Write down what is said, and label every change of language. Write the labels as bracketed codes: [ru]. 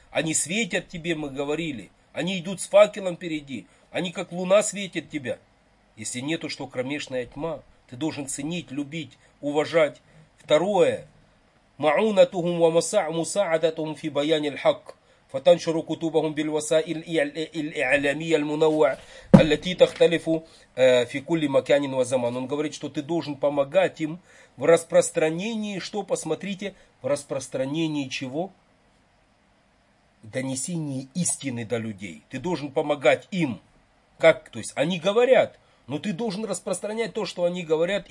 [ru] Они светят тебе, мы говорили. Они идут с факелом впереди. Они как луна светят тебя. Если нету что, кромешная тьма. Ты должен ценить, любить, уважать. Второе. [ar] Маунатухум ва мусаадатухум фи баяни аль-хак. فتنشر كتبهم بالوسائل الإعلامية المنوعة التي تختلف في كل مكان وزمان. [ru] Он говорит, что ты должен помогать им в распространении, что посмотрите, в распространении чего? Донесении истины до людей. Ты должен помогать им. Как? То есть они говорят, но ты должен распространять то, что они говорят.